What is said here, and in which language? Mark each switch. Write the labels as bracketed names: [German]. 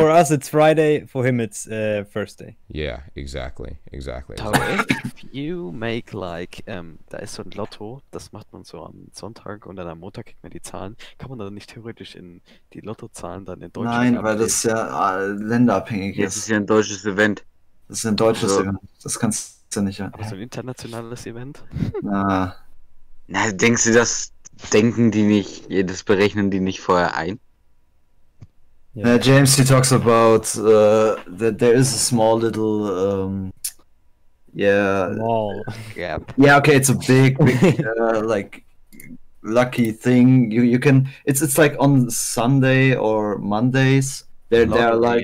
[English] For us it's Friday, for him it's Thursday. Yeah, exactly. [German] Tau, [English] if you make like, [German] da ist so ein Lotto, das macht man so am Sonntag und dann am Montag kriegt man die Zahlen, kann man dann nicht theoretisch in die Lottozahlen dann in Deutschland? Nein, weil das ja länderabhängig ist. Das ist ja ein deutsches Event. Das ist ein deutsches Event, das kannst du nicht. Aber so ein internationales Event? Na, denkst du, das denken die nicht, das berechnen die nicht vorher ein? [English] Yeah. James, he talks about that there is a small little, wall. Yeah, okay, it's a big like, lucky thing. You can, it's like on Sunday or Mondays, they're like...